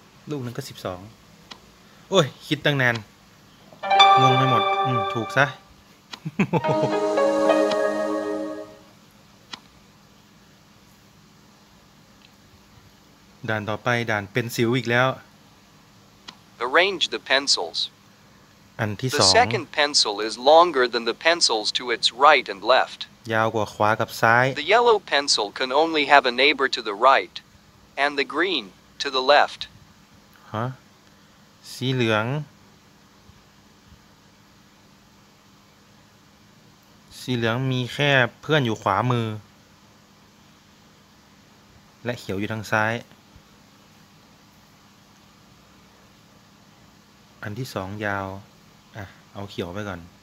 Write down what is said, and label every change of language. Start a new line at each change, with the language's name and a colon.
Thai: ลูกหนึ่งก็12โอ้ยคิดตั้งนานงงไปหมดถูกซะ ด่านต่อไปด่านเป็นสิวอีกแล้ว
English: Arrange the pencils.
Thai: อันที่ 2
English: The second pencil is longer than the pencils to its right and left.
Thai: ยาวกว่าขวากับซ้าย
English: The yellow pencil can only have a neighbor to the right and the green to the left.
Thai: ฮะสีเหลืองสีเหลืองมีแค่เพื่อนอยู่ขวามือและเขียวอยู่ทางซ้ายอันที่สองยาวอ่ะเอาเขียวไปก่อน